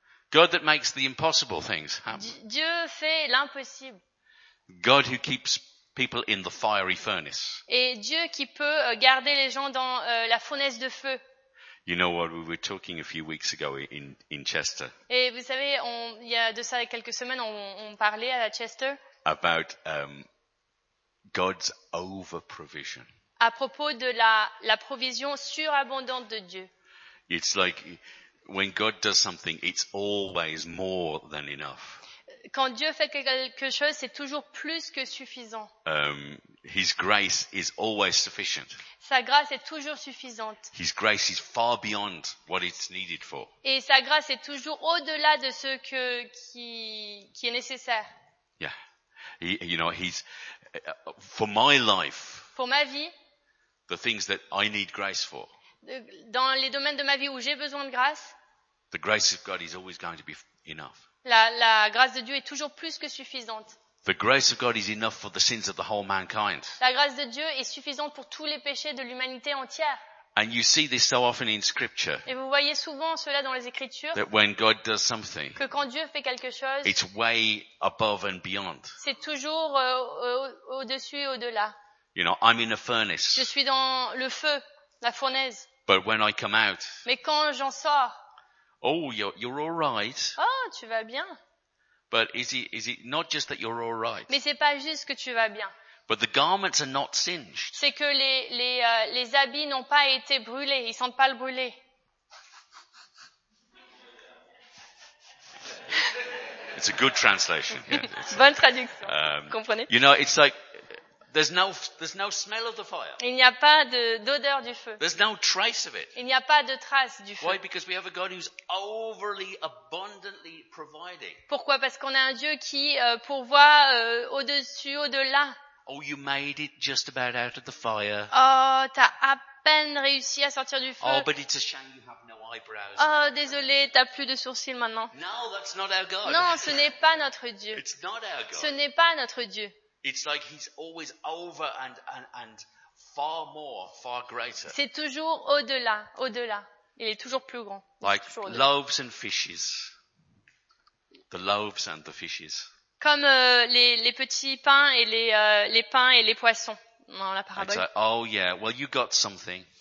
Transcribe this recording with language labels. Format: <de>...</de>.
<en>God that makes the impossible things happen.</en> <fr>Dieu fait l'impossible.</fr> <en>God who keeps people in the fiery furnace.</en> <fr>Et Dieu qui peut garder les gens dans la fournaise de feu.</fr> <en>You know what, we were talking a few weeks ago in Chester.</en> <fr>Et vous savez, il y a de ça quelques semaines, on parlait à Chester.</fr> <en>About God's over-provision.</en> <fr>À propos de la provision surabondante de Dieu.</fr> <en>It's like when God does something, it's always more than enough.</en> <fr>Quand Dieu fait quelque chose, c'est toujours plus que suffisant.</fr> <en>His grace is always sufficient.</en> <fr>Sa grâce est toujours suffisante.</fr> <en>His grace is far beyond what it's needed for.</en> <fr>Et sa grâce est toujours au-delà de ce qui est nécessaire.</fr> <en>Yeah. He's for my life.</en> <fr>Pour ma vie.</fr> <en>The things that I need grace for.</en> <fr>Dans les domaines de ma vie où j'ai besoin de grâce.</fr> <en>The grace of God is always going to be enough.</en> <fr>La grâce de Dieu est toujours plus que suffisante.</fr> <en>The grace of God is enough for the sins of the whole mankind.</en> <fr>La grâce de Dieu est suffisante pour tous les péchés de l'humanité entière.</fr> <en>And you see this so often in Scripture.</en> <fr>Et vous voyez souvent cela dans les Écritures.</fr> <en>That when God does something.</en> <fr>Que quand Dieu fait quelque chose.</fr> <en>It's way above and beyond.</en> <fr>C'est toujours au-dessus et au-delà.</fr> <en>You know, I'm in a furnace.</en> <fr>Je suis dans le feu, la fournaise.</fr> <en>But when I come out.</en> <fr>Mais quand j'en sors.</fr> <en>Oh, you're all right.</en> <fr>Oh, tu vas bien.</fr> <en>But is it not just that you're all right?</en> <fr>Mais c'est pas juste que tu vas bien.</fr> <en>But the garments are not singed.</en> <fr>C'est que les habits n'ont pas été brûlés. Ils sentent pas le brûlé.</fr> <en>It's a good translation. Yeah,</en> <fr>bonne traduction. Comprenez?</fr> <en>You know, it's like there's no smell of the fire.</en> <fr>Il n'y a pas d'odeur du feu.</fr> <en>There's no trace of it.</en> <fr>Il n'y a pas de trace du feu.</fr> <en>Why? Because we have a God who's overly abundantly providing.</en> <fr>Pourquoi? Parce qu'on a un Dieu qui pourvoit au-dessus, au-delà.</fr> <en>Oh, you made it just about out of the fire.</en> <fr>Oh, t'as à peine réussi à sortir du feu.</fr> <en>Oh, but it's a shame you have no eyebrows.</en> <fr>Oh, désolé, t'as plus de sourcils maintenant.</fr> <en>No, that's not our God.</en> <fr>Non, ce n'est pas notre Dieu.</fr> <en>It's not our God.</en> <fr>Ce n'est pas notre Dieu.</fr> <en>It's like he's always over and far more, far greater.</en> <fr>C'est toujours au-delà, au-delà. Il est toujours plus grand.</fr> <en>Like loaves and fishes. The loaves and the fishes.</en> <fr>Comme les petits pains et les pains et les poissons dans la parabole.</fr> <en>Like, oh yeah, well you got something.</en>